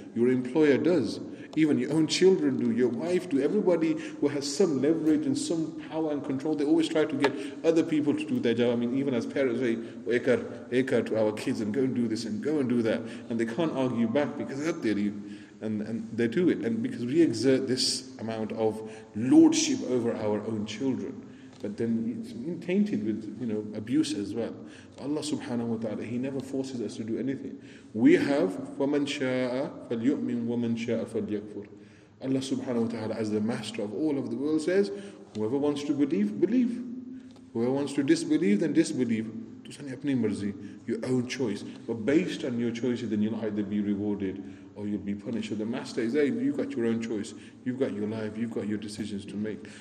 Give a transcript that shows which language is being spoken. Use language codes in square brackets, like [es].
[en] Your employer does. Even your own children do, your wife do, everybody who has some leverage and some power and control, they always try to get other people to do their job. I mean, even as parents say, ekar, ekar to our kids, and go and do this and go and do that. And they can't argue back because that they do. And they do it. And because we exert this amount of lordship over our own children. But then it's tainted with, you know, abuse as well. Allah subhanahu wa ta'ala, He never forces us to do anything. We have [ar] وَمَنْ شَاءَ فَلْيُؤْمِنْ وَمَنْ شَاءَ فَلْيَكْفُرْ. [en] Allah subhanahu wa ta'ala, as the master of all of the world, says, whoever wants to believe, believe. Whoever wants to disbelieve, then disbelieve. [pa] Tusani apni marzi, [en] your own choice. But based on your choices, then you'll either be rewarded or you'll be punished. So the master is there, you've got your own choice, you've got your life, you've got your decisions to make.